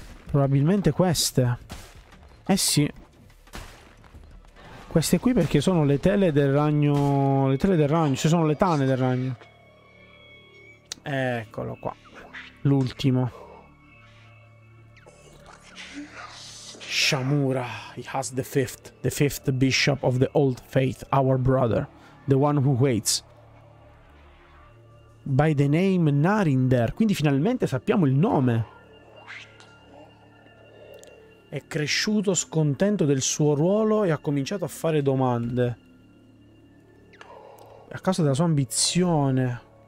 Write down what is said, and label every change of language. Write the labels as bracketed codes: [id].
[it] Probabilmente queste. Eh sì, queste qui, perché sono le tele del ragno. Le tele del ragno, cioè sono le tane del ragno. Eccolo qua, l'ultimo Shamura. [en] He has the fifth bishop of the old faith, our brother, the one who waits by the name Narinder. [it] Quindi finalmente sappiamo il nome. È cresciuto scontento del suo ruolo e ha cominciato a fare domande a causa della sua ambizione.